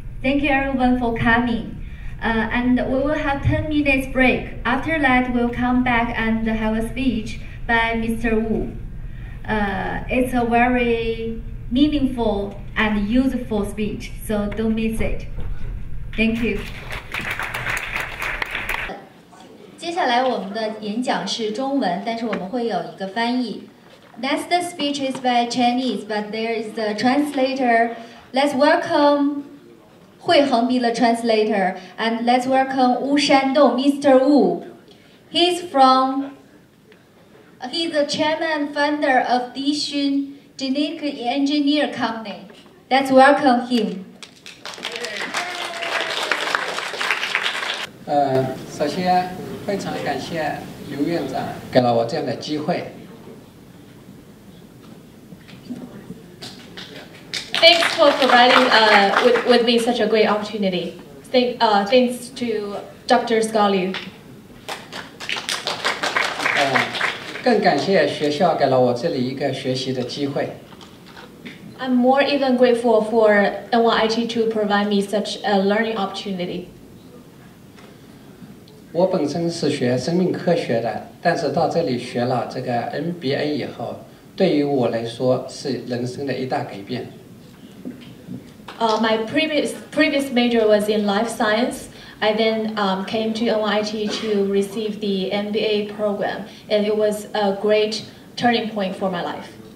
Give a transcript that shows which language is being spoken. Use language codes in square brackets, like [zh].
[en] Thank you everyone for coming. And we will have 10 minutes break. After that, we'll come back and have a speech by Mr. Wu. It's a very meaningful and useful speech, so don't miss it. Thank you. [zh] 接下来我们的演讲是中文，但是我们会有一个翻译。 [en] Next speech is by Chinese, but there is a translator. Let's welcome Hui Heng be the translator, and let's welcome Wu Shandong, Mr. Wu. He's the chairman and founder of Dixun Genetic Engineer Company. Let's welcome him. [zh] 首先非常感谢刘院长给了我这样的机会。 [en] Thanks for providing with me such a great opportunity. Thanks to Dr. Scott Liu. [zh] 更感谢学校给了我这里一个学习的机会。 [en] I'm more even grateful for NYIT to provide me such a learning opportunity. [zh] 我本身是学生命科学的，但是到这里学了这个 MBA 以后，对于我来说是人生的一大改变。 [en] My previous major was in life science. I then came to NYIT to receive the MBA program, and it was a great turning point for my life.